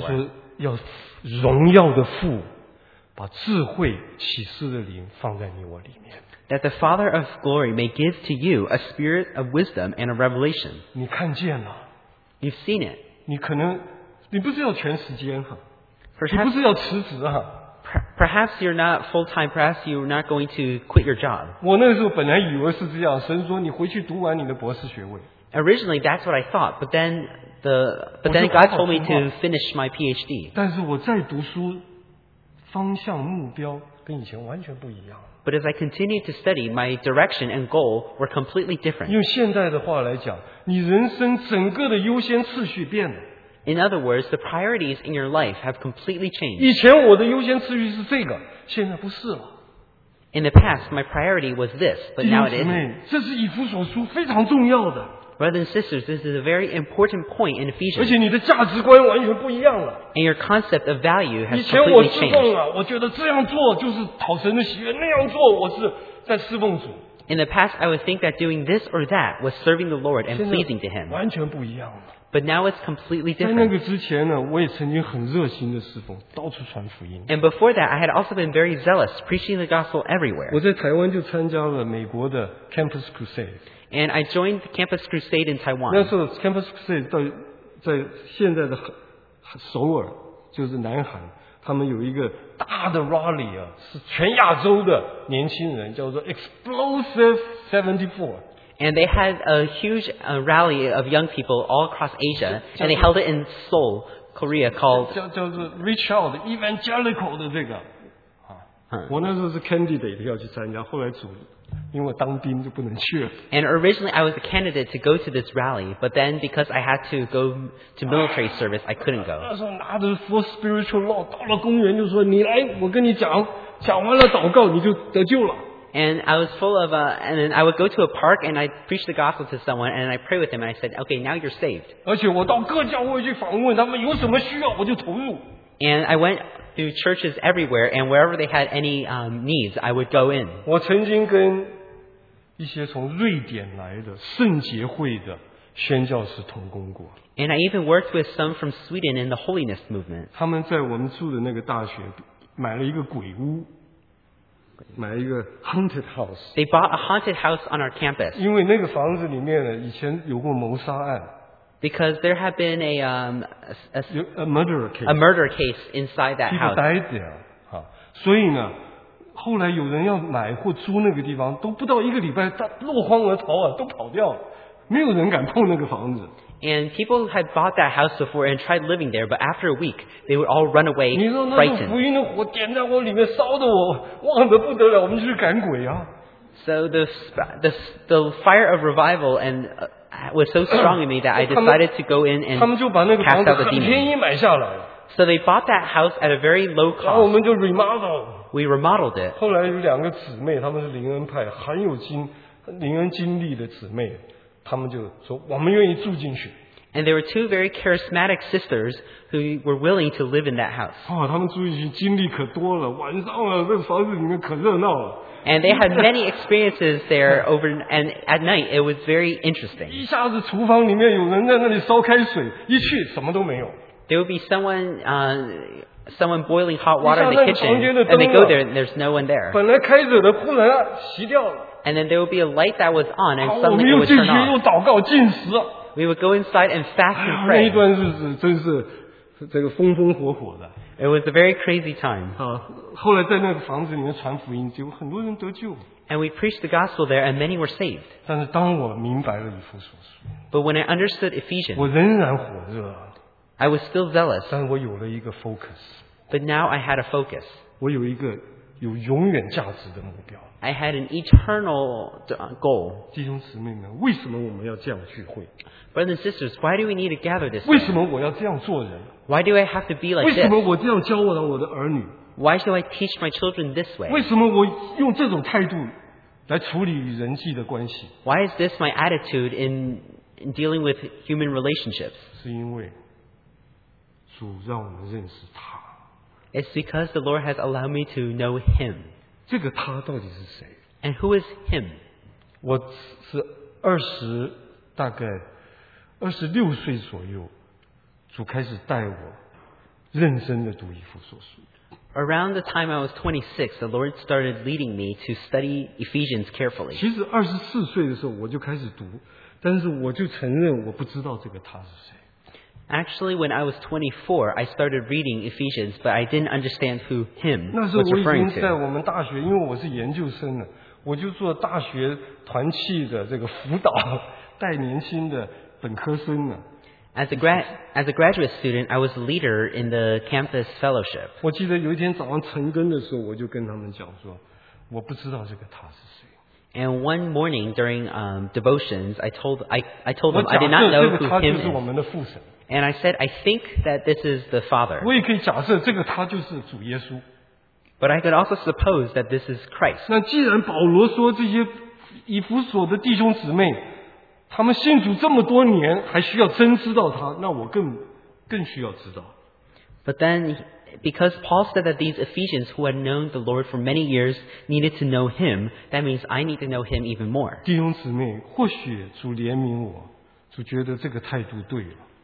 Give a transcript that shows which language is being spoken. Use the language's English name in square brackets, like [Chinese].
[Chinese] 他说要荣耀的父, 把智慧启示的灵放在你我里面。 [English] That the Father of glory may give to you a spirit of wisdom and a revelation. [Chinese] 你看见了。 [English] You've seen it. [Chinese] 你可能不是要全时间哈, 你不是要辞职哈。 [English] Perhaps you're not full time, perhaps you're not going to quit your job. [Chinese] 我那时候本来以为是这样, 神说你回去读完你的博士学位。 [English] Originally that's what I thought, but then God told me to finish my PhD. [Chinese] 但是我在读书, 方向目标跟以前完全不一样。 [English] But as I continued to study, my direction and goal were completely different. [Chinese] 用现在的话来讲, 你人生整个的优先次序变了。 [English] In other words, the priorities in your life have completely changed. [Chinese] 以前我的优先次序是这个, 现在不是了。 [English] In the past, my priority was this, but now it isn't. [Chinese] 这是以弗所书非常重要的。 [English] Brothers and sisters, this is a very important point in Ephesians. [Chinese] 而且你的价值观完全不一样了。 [English] And your concept of value has [Chinese] 以前我侍奉啊, 我觉得这样做就是讨神的喜悦, 那样做我是在侍奉主。 [English] In the past, I would think that doing this or that was serving the Lord and pleasing to Him. [Chinese] 完全不一样了。 [English] But now it's completely different. [Chinese] 在那个之前呢, 我也曾经很热心的侍奉, 到处传福音。 [English] And before that, I had also been very zealous, preaching the gospel everywhere. [Chinese] 我在台湾就参加了美国的Campus Crusade。 [English] And I joined the Campus Crusade in Taiwan. [Chinese] 那时候Campus Crusade在现在的首尔, 就是南韩, 他们有一个大的rally啊, 是全亚洲的年轻人, 叫做Explosive 74。 [English] And they had a huge rally of young people all across Asia, and they held it in Seoul, Korea, called... [Chinese] 叫做Reach Out, Evangelical的这个。我那时候是candidate, 要去参加, 后来主...因为我当兵就不能去了。 [English] And originally I was a candidate to go to this rally, but then because I had to go to military service, I couldn't go. [Chinese] 那时候拿着 Full Spiritual Law, 到了公园就说你来,我跟你讲,讲完了祷告你就得救了。 [English] And I was full of, and then I would go to a park and I'd preach the gospel to someone and I'd pray with them and I said, okay, now you're saved. [Chinese] 而且我到各教会去访问他们有什么需要我就投入。 [English] And I went through churches everywhere and wherever they had any needs, I would go in. [Chinese] 我曾经跟一些从瑞典来的圣洁会的宣教士同工过。 [English] And I even worked with some from Sweden in the Holiness Movement. [Chinese] 他们在我们住的那个大学买了一个鬼屋。买一个 [English] haunted house. They bought a haunted house on our campus. [Chinese] 因为那个房子里面呢, 以前有过谋杀案。 [English] Because there had been a murder case inside that house. [Chinese] 一个呆子啊, 所以呢, 后来有人要买或租那个地方，都不到一个礼拜，他落荒而逃啊，都跑掉了，没有人敢碰那个房子。 [English] And people had bought that house before and tried living there, but after a week, they would all run away, frightened. [Chinese] 你说那个福音的火点在我里面，烧得我旺得不得了，我们去赶鬼啊。 [English] So the fire of revival and was so strong in me that I decided to go in and cast out the demon. So they bought that house at a very low cost. [Chinese] 我们就 remodel. [English] We remodeled it. [Chinese] 后来有两个姊妹，她们是灵恩派，很有灵恩经历的姊妹，她们就说我们愿意住进去。 [English] And there were two very charismatic sisters who were willing to live in that house. [Chinese] 哦，她们住进去经历可多了，晚上啊，那房子里面可热闹了。 [English] And they had many experiences there over and at night. It was very interesting. [Chinese] 一下子厨房里面有人在那里烧开水，一去什么都没有。 [English] There would be someone boiling hot water in the kitchen, and they go there, and there's no one there. [Chinese] 本来开着的，忽然熄掉了。 [English] And then there would be a light that was on, and suddenly it would turn off. [Chinese] 我们又进去又祷告禁食。 [English] We would go inside and fast and pray. [Chinese] 那一段日子真是这个风风火火的。 [English] It was a very crazy time. [Chinese] 后来在那个房子里面传福音，就很多人得救。 [English] And we preached the gospel there, and many were saved. [Chinese] 但是当我明白了以弗所书， [English] But when I understood Ephesians, [Chinese] 我仍然火热。 [English] I was still zealous. [Chinese] 但我有了一个 focus. [English] But now I had a focus. [Chinese] 我有一个有永远价值的目标。 [English] I had an eternal goal. [Chinese] 弟兄姊妹们，为什么我们要这样聚会？ [English] Brothers and sisters, why do we need to gather this? [Chinese] 为什么我要这样做人？ [English] Why do I have to be like this? [Chinese] 为什么我这样教导我的儿女？ [English] Why should I teach my children this way? [Chinese] 为什么我用这种态度来处理与人际的关系？ [English] Why is this my attitude in dealing with human relationships? [Chinese] 是因为主让我们认识他。 [English] It's because the Lord has allowed me to know Him. [Chinese] 这个他到底是谁？ [English] And who is Him? [Chinese] 我是大概二十六岁左右，主开始带我认真的读以弗所书。 [English] Around the time I was 26, the Lord started leading me to study Ephesians carefully. [Chinese] 其实二十四岁的时候我就开始读，但是我就承认我不知道这个他是谁。 [English] Actually, when I was 24, I started reading Ephesians, but I didn't understand who him was referring to. [Chinese] 那时候我已经在我们大学，因为我是研究生了，我就做大学团契的这个辅导，带年轻的本科生了。 [English] As a graduate student, I was a leader in the campus fellowship. [Chinese] 我记得有一天早上晨更的时候，我就跟他们讲说，我不知道这个他是谁。 [English] And one morning during devotions, I told them I did not know who him is. [Chinese] 是我们的父神。 [English] And I said, I think that this is the Father. [Chinese] 我也可以假设这个他就是主耶稣。 [English] But I could also suppose that this is Christ. [Chinese] 那既然保罗说这些以弗所的弟兄姊妹，他们信主这么多年，还需要真知道他，那我更需要知道。 [English] But then, because Paul said that these Ephesians who had known the Lord for many years needed to know Him, that means I need to know Him even more. [Chinese] 弟兄姊妹，或许主怜悯我，主觉得这个态度对了。